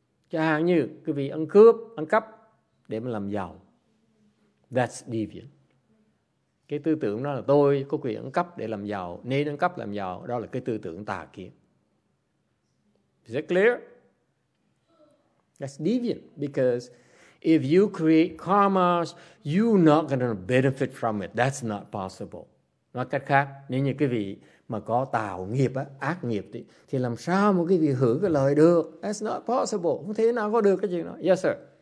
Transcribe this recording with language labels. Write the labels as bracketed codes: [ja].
[vi] Chẳng hạn như quý vị ăn cắp để mà làm giàu. [en] That's deviant. [vi] Cái tư tưởng đó là tôi có quyền ăn cắp để làm giàu, nên ăn cắp làm giàu, đó là cái tư tưởng tà kiến. [en] Is that clear? That's deviant because if you create karmas, you're not going to benefit from it. That's not possible. [vi] Nói cách khác, nếu như quý vị mà có tạo nghiệp, ác nghiệp, thì làm sao mà quý vị hưởng cái lợi được? [en] That's not possible. [vi] Không thể nào có được cái chuyện đó. [en] Yes, sir.